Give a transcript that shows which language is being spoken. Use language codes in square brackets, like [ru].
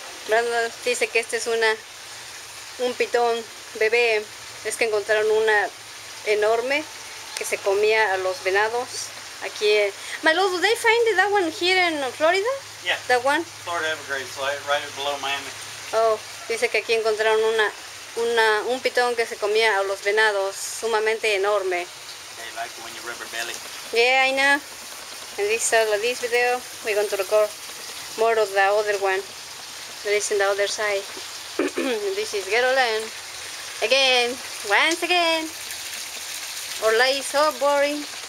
[es] Brandon dice que este es una un pitón bebé. Es que encontraron una enorme que se comía a los venados. Aquí. [en] My love, do they find that one here in Florida? Yeah. That one? Florida Everglades, right below Miami. [es] Oh, dice que aquí encontraron un pitón que se comía a los venados, sumamente enorme. [en] They like when you rub your belly. Yeah, I know. And this video, we're going to record more of the other one. That is in the other side. This is Gatorland. Again, once again. Our life is so boring.